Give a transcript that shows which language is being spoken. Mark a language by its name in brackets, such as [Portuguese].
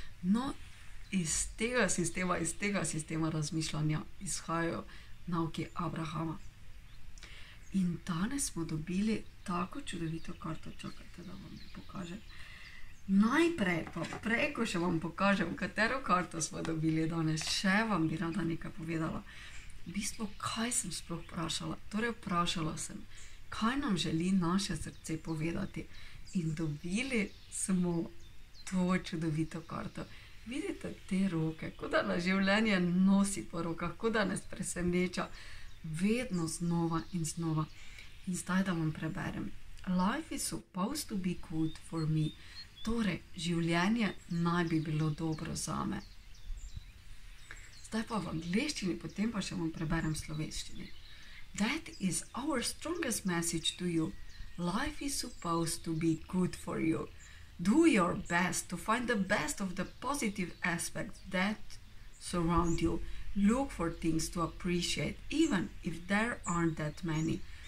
[Slovenian] No, iz tega sistema razmišljanja izhajajo nauki Abrahama. In danes smo dobili tako čudovito karto, čakajte, da vam jo pokažem. Najprej pa, prej ko še vam pokažem, katero karto smo dobili danes, še vam bi rada nekaj povedala. V bistvu, kaj sem sploh vprašala? Torej, vprašala sem, kaj nam želi naše srce povedati? In dobili smo to čudovito karto. Vidite te roke, kot da na življenje nosi po rokah, kot da nas preseneča. Vedno znova in znova. In zdaj, da vam preberem. [English] Life is supposed to be good for me. [Slovenian] Torej, življenje naj bi bilo dobro zame. Zdaj pa v angleščini, potem pa še vam preberem v slovenščini. [English] That is our strongest message to you. Life is supposed to be good for you. Do your best to find the best of the positive aspects that surround you. Look for things to appreciate, even if there aren't that many.